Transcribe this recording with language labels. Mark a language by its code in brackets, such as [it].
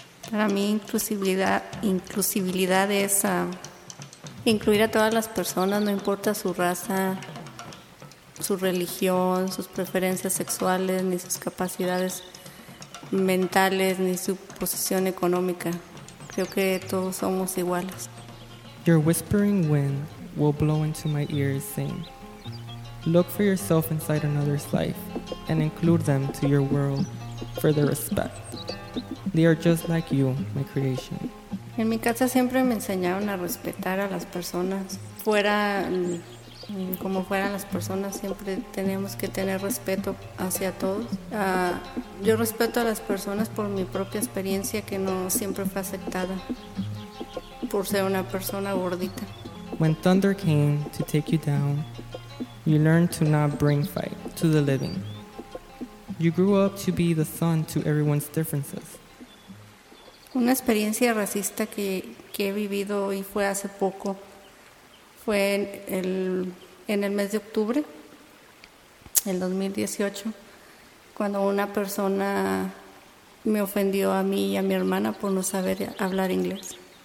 [es] Para mí, inclusividad es incluir a todas las personas, no importa su raza, su religión, sus preferencias sexuales, ni sus capacidades mentales, ni su posición económica. Creo que todos somos iguales. [en] Your whispering wind will blow into my ears saying, look for yourself inside another's life and include them to your world for their respect. They are just like you, my creation. [es] En mi casa siempre me enseñaron a respetar a las personas fuera. Como fueran las personas, siempre tenemos que tener respeto hacia todos. Yo respeto a las personas por mi propia experiencia, que no siempre fue aceptada por ser una persona gordita. [en] When thunder came to take you down, you learned to not bring fight to the living. You grew up to be the sun to everyone's differences. [es] Una experiencia racista que he vivido y fue hace poco. Fue en el mes de octubre, el 2018, cuando una persona me ofendió a mí y a mi hermana por no saber hablar inglés.